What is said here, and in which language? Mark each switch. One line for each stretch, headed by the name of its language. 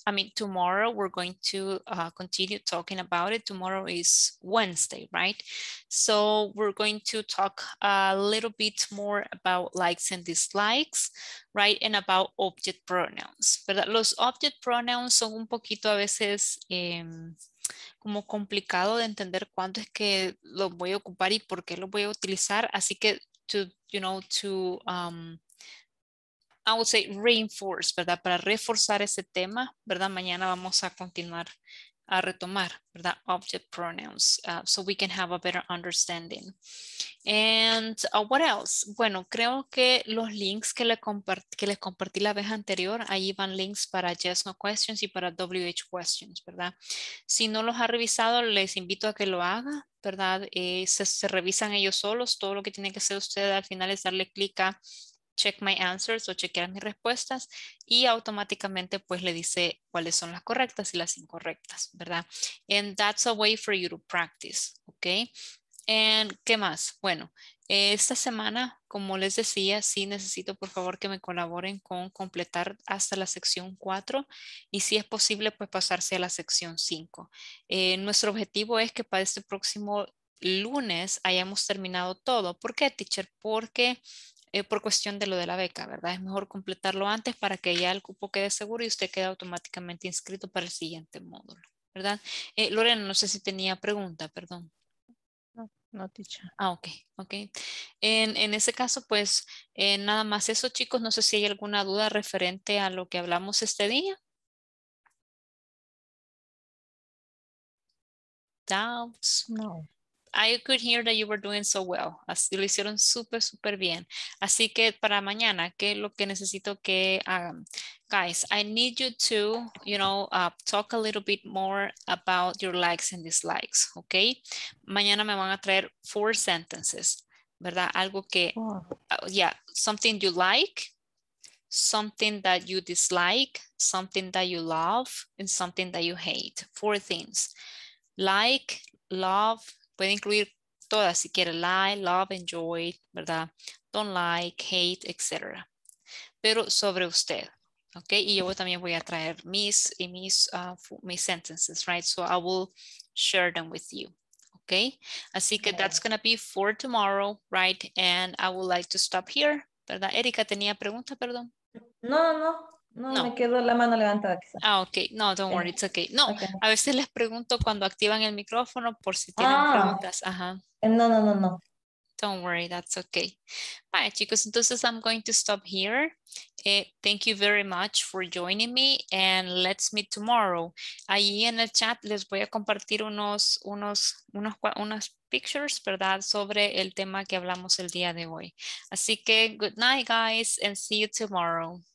English: I mean, tomorrow we're going to continue talking about it. Tomorrow is Wednesday, right? So we're going to talk a little bit more about likes and dislikes, right? And about object pronouns.
Spanish: Pero los object pronouns son un poquito a veces como complicado de entender cuándo es que los voy a ocupar y por qué los voy a utilizar. Así que
English: I would say reinforce,
Spanish: ¿verdad? Para reforzar ese tema, ¿verdad? Mañana vamos a continuar a retomar, ¿verdad?
English: Object pronouns, so we can have a better understanding. And what else?
Spanish: Bueno, creo que los links que les compartí la vez anterior, ahí van links para
English: yes, no questions
Spanish: y para
English: WH questions,
Spanish: ¿verdad? Si no los ha revisado, les invito a que lo haga, ¿verdad? Se revisan ellos solos, todo lo que tiene que hacer usted al final es darle clic a
English: check my answers
Spanish: o chequear mis respuestas y automáticamente pues le dice cuáles son las correctas y las incorrectas, ¿verdad?
English: And that's a way for you to practice, okay? And
Spanish: ¿qué más? Bueno, esta semana, como les decía, sí necesito por favor que me colaboren con completar hasta la sección 4 y si es posible pues pasarse a la sección 5. Nuestro objetivo es que para este próximo lunes hayamos terminado todo. ¿Por qué, teacher? Porque por cuestión de lo de la beca, ¿verdad? Es mejor completarlo antes para que ya el cupo quede seguro y usted quede automáticamente inscrito para el siguiente módulo, ¿verdad? Lorena, no sé si tenía pregunta, perdón. No, teacher. Ah, ok, ok. En ese caso, pues, nada más eso, chicos. No sé si hay alguna duda referente a lo que hablamos este día.
English: Doubts? No. I could hear that you were doing so well.
Spanish: Así lo hicieron súper, súper bien. Así que para mañana, ¿qué es lo que necesito que hagan?
English: Guys, I need you to, you know, talk a little bit more about your likes and dislikes, ¿ok?
Spanish: Mañana me van a traer 4 sentences, ¿verdad? Algo que,
English: something you like, something that you dislike, something that you love, and something that you hate. 4 things. Like, love,
Spanish: puede incluir todas, si quiere,
English: like, love, enjoy,
Spanish: ¿verdad?
English: Don't like, hate, etc.
Spanish: Pero sobre usted,
English: ¿ok?
Spanish: Y yo también voy a traer mis sentences,
English: right? So I will share them with you, ¿ok?
Spanish: Así que
English: that's going to be for tomorrow, right? And I would like to stop here,
Spanish: ¿verdad?
English: Erika,
Spanish: ¿tenía pregunta, perdón? No, me quedo la mano levantada.
English: Ah, ok. No, don't worry, it's okay. No, okay.
Spanish: A veces les pregunto cuando activan el micrófono por si tienen preguntas. Ajá. No.
English: Don't worry, that's okay. All right,
Spanish: chicos, entonces
English: I'm going to stop here. Thank you very much for joining me and let's meet tomorrow.
Spanish: Allí en el chat les voy a compartir unas pictures, ¿verdad? Sobre el tema que hablamos el día de hoy. Así que
English: good night, guys, and see you tomorrow.